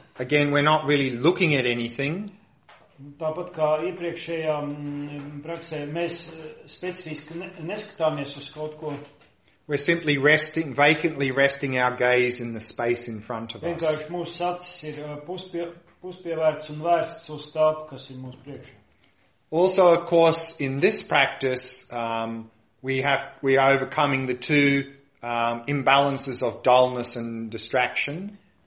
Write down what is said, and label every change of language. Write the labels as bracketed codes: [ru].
[en] Again, we're not really looking at anything. [lv] Tāpat kā iepriekšējā praksē, mēs specifiski neskatāmies uz kaut ko. [en] We're simply resting, vacantly resting our gaze in the space in front of us. [lv] Vienkārši mūsu acis ir puspievērts un vērsts uz tāpu, kas ir mūsu priekšā. [en] Also, of course, in this practice, we are overcoming the two imbalances of dullness and distraction.